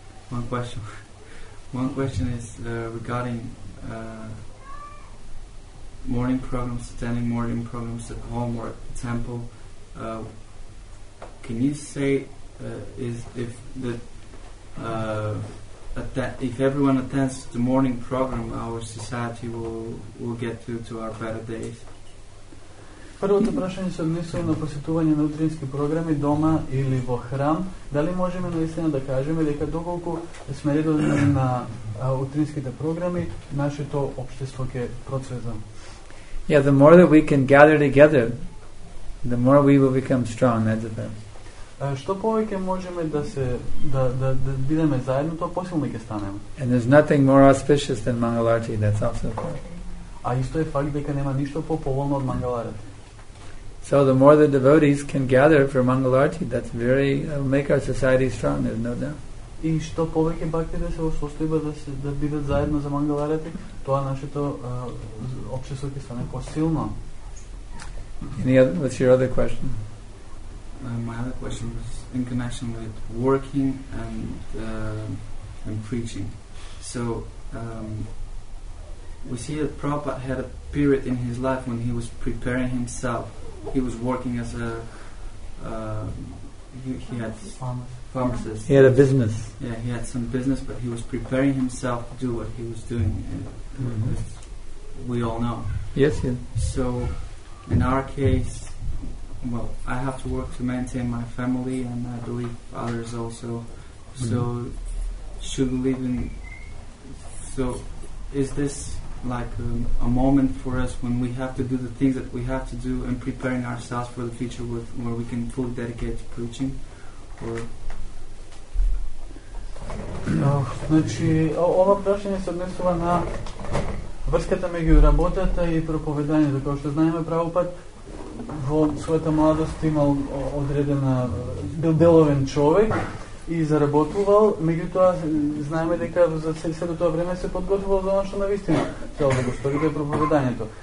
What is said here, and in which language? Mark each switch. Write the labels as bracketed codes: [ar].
[en] One question. One question is regarding morning programs, attending morning programs at home or at the temple. Can you say if everyone attends the morning program, our society will get to our better days? [mk] Првото прашање се однесува на посетување на утрински програми дома или во храм. Дали можеме наистина да кажеме дека доколку сме редовни на утринските програми, нашето општество ќе процветам? [en] Yeah, the more that we can gather together, the more we will become strong, that's about. [mk] Што повеќе можеме да бидеме заедно, тоа посилни ќе станеме. [en] And there's nothing more auspicious than Mangalarti, that's also true. [mk] А исто е факт дека нема ништо по-поволно од Мангаларти. [en] So the more the devotees can gather for Mangalarti, that's very make our society strong, there's no doubt. [mk] И што повеќе бакти да се состојба да бидат заедно за Мангаларти, тоа нашето општество ќе стане посилно. [en] Any other, what's your other question? My other question was in connection with working and preaching. So we see that Prabhupada had a period in his life when he was preparing himself. He was working as a he had pharmacist. He had a business. Yeah, he had some business, but he was preparing himself to do what he was doing. And we all know. Yes, yes. So, in our case, well, I have to work to maintain my family, and I believe others also. Mm-hmm. So, should live in. So, is this like a moment for us when we have to do the things that we have to do and preparing ourselves for the future with where we can fully dedicate to preaching? Or [mk] значи, ова прашање се однесува на врската меѓу работата и проповедањето. Како што знаеме, Правопад во својата младост имал одредена, бил деловен човек и заработувал, меѓутоа знаеме дека за сето тоа време се подготвувал за оно што навистина цел да го стори да е проповедањето.